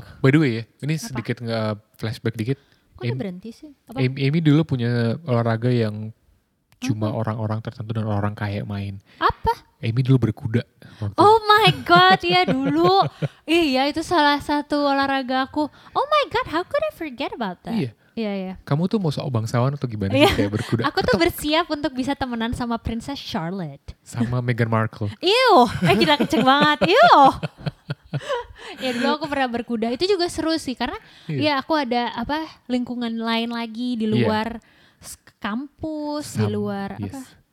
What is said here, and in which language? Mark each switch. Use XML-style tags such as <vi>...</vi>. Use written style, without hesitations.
<id>Oh,</id> <en>by the way</en> <id>ya, ini apa? Sedikit nggak flashback dikit. Kok udah berhenti sih? Apa? Amy dulu punya olahraga yang cuma orang-orang tertentu dan orang kaya main. Apa? Amy dulu berkuda.</id> <en>Oh my god,</en> <id>ya dulu. Iya, itu salah satu olahraga aku.</id> <en>Oh my god, how could I forget about that?</en> <id>Iya. Iya, iya. Kamu tuh mau seorang bangsawan atau gimana sih kayak berkuda? Aku tuh bersiap untuk bisa temenan sama Princess Charlotte. Sama Meghan Markle. Iyo, gila kenceng banget. Iyo. Ya dulu aku pernah berkuda. Itu juga seru sih karena ya aku ada apa lingkungan lain lagi di luar kampus, di luar apa?</id>